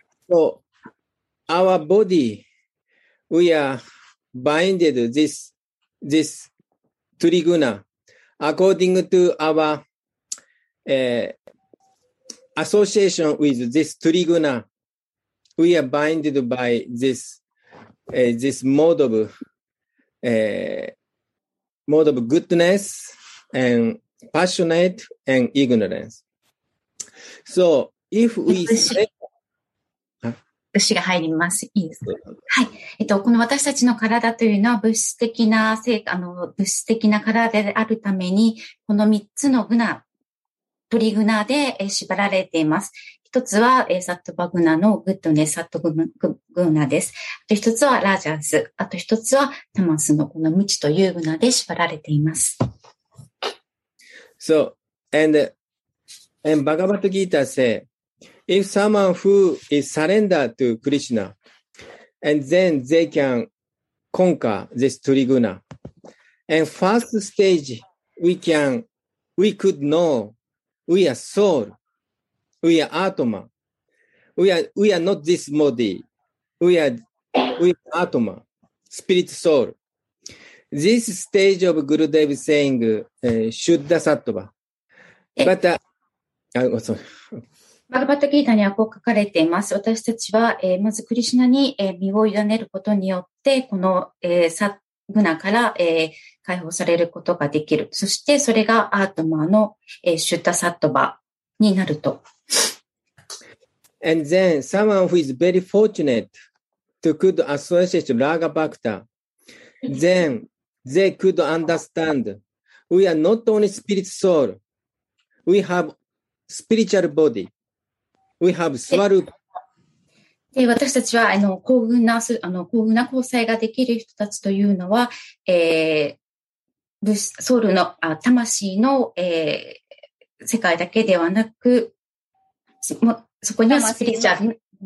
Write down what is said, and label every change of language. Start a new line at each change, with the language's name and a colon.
English: So our body, we are binded this triguna according to our association with this triguna. We are binded by this mode of goodness and passionate and ignorance. So if we say,
Japanese: が入ります、いいですか、はい、この私たちの体というのは物質的な性、物質的な体であるために、この3つのグナ、トリグナで縛られています。一つはサットバグナのグッドネス、サットグナです。あと一つはラージャーズ、あと一つはタマスのこの無知というグナで縛られています。
English: So and Bhagavad Gita sayIf someone who is surrender to Krishna, and then they can conquer this triguna. And first stage, we could know we are soul, we are atoma, we are not this body, we are atoma, spirit soul. This stage of Gurudev saying Shuddha Sattva. But
Japanese: バガヴァッド・ギータにはこう書かれています。私たちは、まずクリシュナに、身を委ねることによって、この、サグナから、解放されることができる。そして、それがアートマーの、シュッタ・サットバになると。
English: And then, someone who is very fortunate to could associate Raga Bhakta, then they could understand we are not only spirit soul, we have spiritual body. We have swarup.
Japanese: で、私たちは幸運な交際ができる人たちというのは、ソウルの魂の、世界だけではなく、そこにはスピリチュアル、